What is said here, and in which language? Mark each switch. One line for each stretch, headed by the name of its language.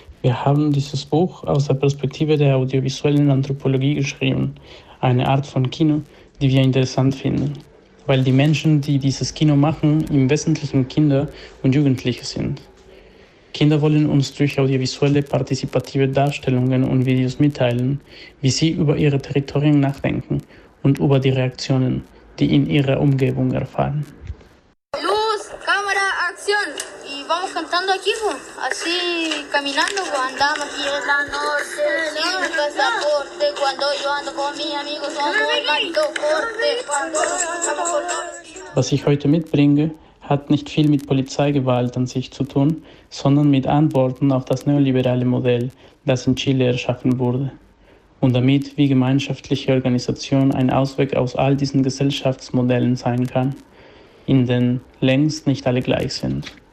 German: Wir haben dieses Buch aus der Perspektive der audiovisuellen Anthropologie geschrieben, eine Art von Kino, die wir interessant finden, weil die Menschen, die dieses Kino machen, im Wesentlichen Kinder und Jugendliche sind. Kinder wollen uns durch audiovisuelle partizipative Darstellungen und Videos mitteilen, wie sie über ihre Territorien nachdenken und über die Reaktionen, die in ihrer Umgebung erfahren. Los, Kamera, Aktion!
Spanish: Y vamos cantando aquí, ¿no? Así caminando, andamos aquí en la noche, sin mi pasaporte, cuando yo ando con mis amigos, somos un marito fuerte, cuando estamos con los...
German: Was ich heute mitbringe, hat nicht viel mit Polizeigewalt an sich zu tun, sondern mit Antworten auf das neoliberale Modell, das in Chile erschaffen wurde. Und damit, wie gemeinschaftliche Organisation ein Ausweg aus all diesen Gesellschaftsmodellen sein kann, in denen längst nicht alle gleich sind.